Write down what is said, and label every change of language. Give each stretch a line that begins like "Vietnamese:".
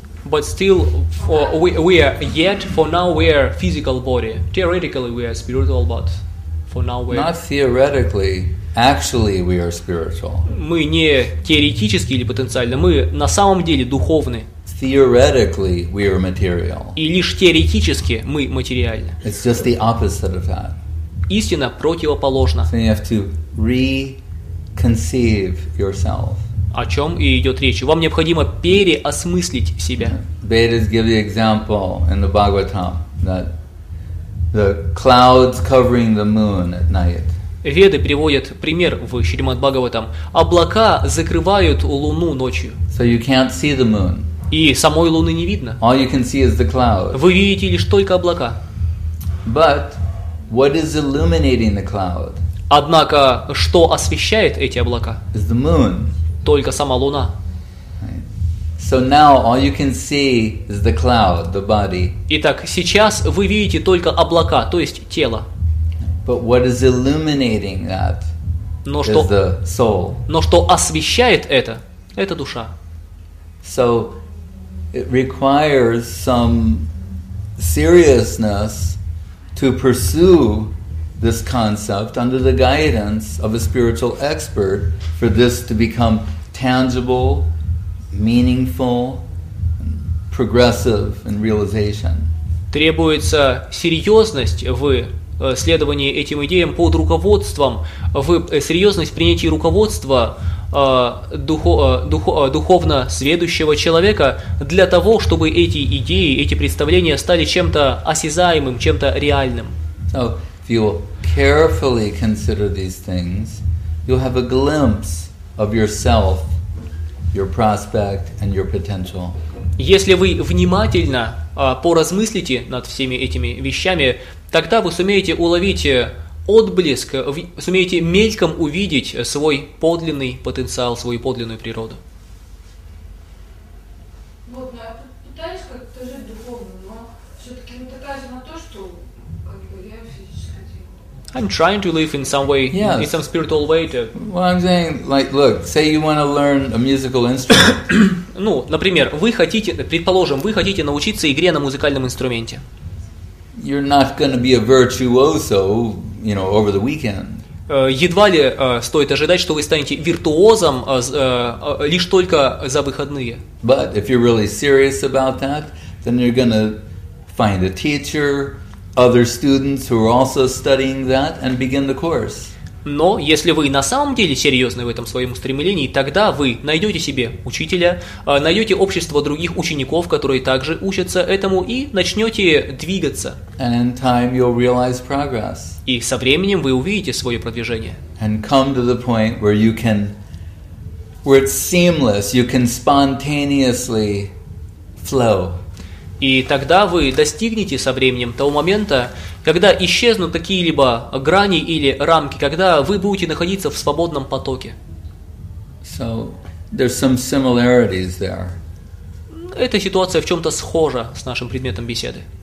English: But still, for we are yet for now we are physical body. Theoretically we are spiritual, but for now we are not theoretically. Actually, we are spiritual.
Russian: Мы не теоретически или потенциально, мы на самом деле духовны.
English: Theoretically, we are material.
Russian: И лишь теоретически мы материальны.
English: It's just the opposite of that.
Russian: Истина противоположна.
English: So you have to reconceive yourself.
Russian: О чем и идет речь. Вам необходимо переосмыслить себя.
English: Vedas give the example in the Bhagavatam that the clouds covering the moon at night.
Russian: Веды приводят пример в Шримад-Бхагаватам. Облака закрывают луну ночью.
English: So you can't see the moon.
Russian: И самой луны не видно.
English: All you can see is the clouds.
Russian: Вы видите лишь только облака.
English: But what is illuminating the cloud?
Russian: Однако, что освещает эти облака?
English: Is the moon.
Russian: Только сама луна.
English: So now all you can see is the cloud, the body.
Russian: Итак, сейчас вы видите только облака, то есть тело.
English: But what is illuminating that is the soul.
Russian: Но что освещает это душа.
English: So it requires some seriousness to pursue this concept under the guidance of a spiritual expert for this to become tangible, meaningful, progressive in realization.
Russian: Требуется серьезность в следовании этим идеям под руководством, в серьезность принятия руководства духовно сведущего человека для того, чтобы эти идеи, эти представления стали чем-то осязаемым, чем-то реальным.
English: So, if you carefully consider these things, you'll have a glimpse of yourself, your prospect, and your potential.
Russian: Если вы внимательно поразмыслите над всеми этими вещами, тогда вы сумеете уловить отблеск, сумеете мельком увидеть свой подлинный потенциал, свою подлинную природу. Вот, ну, я пытаюсь как-то жить духовно, но все-таки не такая же на то, что как бы я физически делаю.
English: I'm trying to live in some way, yes. In some spiritual way. To... Well, I'm saying, like, look, say you want to learn a musical instrument.
Russian: Ну, например, вы хотите, предположим, вы хотите научиться игре на музыкальном инструменте.
English: You're not going to be a virtuoso, you know, over the weekend.
Russian: Едва ли стоит ожидать, что вы станете виртуозом лишь только за выходные.
English: But if you're really serious about that, then you're going to find a teacher, other students who are also studying that, and begin the course.
Russian: Но если вы на самом деле серьезны в этом своем устремлении, тогда вы найдете себе учителя, найдете общество других учеников, которые также учатся этому, и начнете двигаться.
English: And in time you'll realize progress.
Russian: И со временем вы увидите свое продвижение.
English: And come to the point where you can, where it's seamless, you can spontaneously flow.
Russian: И тогда вы достигнете со временем того момента, когда исчезнут какие-либо грани или рамки, когда вы будете находиться в свободном потоке.
English: So, there's some similarities there.
Russian: Эта ситуация в чем-то схожа с нашим предметом беседы.